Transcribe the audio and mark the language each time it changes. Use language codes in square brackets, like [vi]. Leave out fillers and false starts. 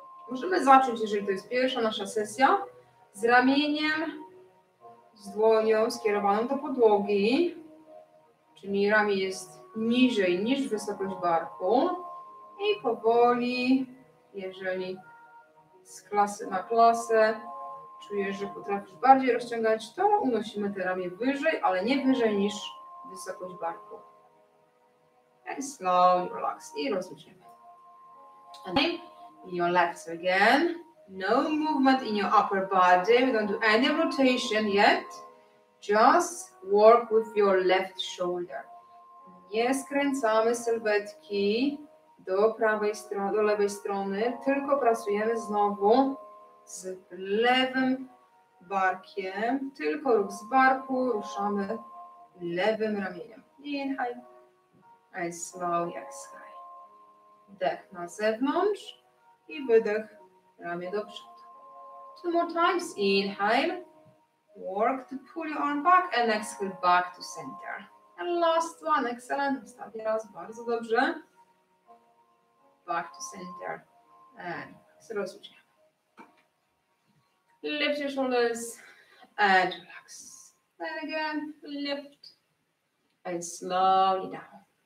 [pl] Możemy zacząć, jeżeli to jest pierwsza nasza sesja, z ramieniem, z dłonią skierowaną do podłogi, czyli ramię jest niżej niż wysokość barku i powoli, jeżeli z klasy na klasę czujesz, że potrafisz bardziej rozciągać, to unosimy te ramię wyżej, ale nie wyżej niż wysokość barku. [en] And slow, relax [pl] i rozluźnijmy. [en] In your left again, no movement in your upper body, we don't do any rotation yet. Just work with your left shoulder. [pl] Nie skręcamy sylwetki do prawej strony, do lewej strony, tylko pracujemy znowu z lewym barkiem. Tylko ruch z barku, ruszamy lewym ramieniem. [en] Inhale. And slowly exhale. [pl] Wdech na zewnątrz i wydech, ramię do przodu. [en] Two more times. Inhale. Work to pull your arm back and exhale back to center. And last one, excellent. [pl] Ostatni raz, bardzo dobrze. [en] Back to center. And [pl] rozluźniamy. [en] Lift your shoulders and relax. And again, lift and slowly down.